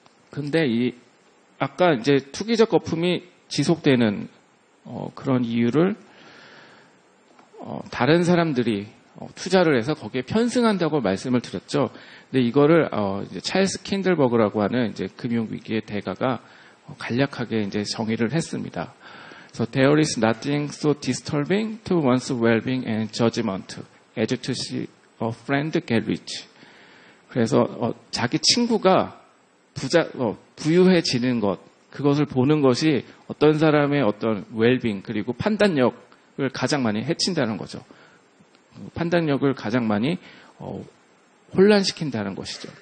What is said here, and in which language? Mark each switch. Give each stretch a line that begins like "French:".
Korean: 근데 이 아까 이제 투기적 거품이 지속되는 그런 이유를 다른 사람들이 투자를 해서 거기에 편승한다고 말씀을 드렸죠. 근데 이거를 이제 찰스 킨들버그라고 하는 이제 금융 위기의 대가가 간략하게 이제 정의를 했습니다.
English: So there is nothing so disturbing to one's well-being and judgment as to see a friend get rich.
Korean: 그래서 자기 친구가 부유해지는 것, 그것을 보는 것이 어떤 사람의 어떤 well-being 그리고 판단력을 가장 많이 해친다는 거죠. 판단력을 가장 많이 혼란시킨다는 것이죠.